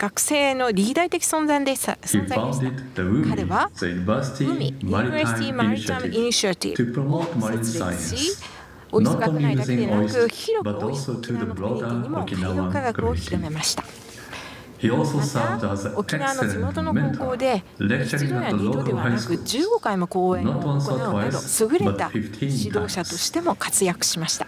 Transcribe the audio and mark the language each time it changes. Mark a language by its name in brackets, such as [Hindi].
[Japanese] 学生のリーダー的存在でした。 [English] He founded the UMI, the University Maritime Initiative, to promote marine science. [Japanese] オイス学内だけでなく、広くオイス沖縄のコミュニティにも海洋科学を広めました。また、沖縄の地元の高校で、一度や二度ではなく15回も講演を行うなど、優れた指導者としても活躍しました。